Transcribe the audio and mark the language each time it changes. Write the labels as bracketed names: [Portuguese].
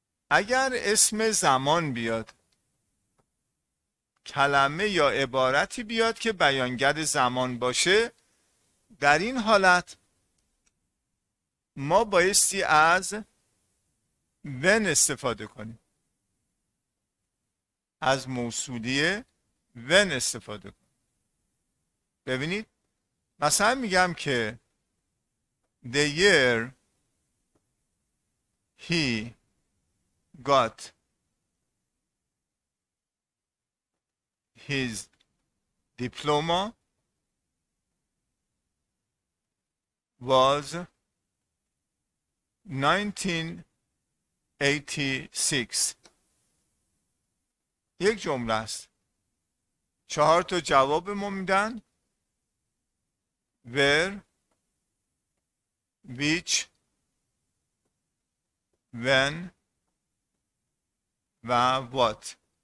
[Persian] اگر اسم زمان بیاد، کلمه یا عبارتی بیاد که بیانگر زمان باشه، در این حالت ما بایستی از when استفاده کنیم، از موصولی when استفاده کنیم. ببینید مثلا میگم که [English] the year he got his diploma was 1986. [Persian] یک جمله است، چهار تا جواب میدن: where، which، when و what.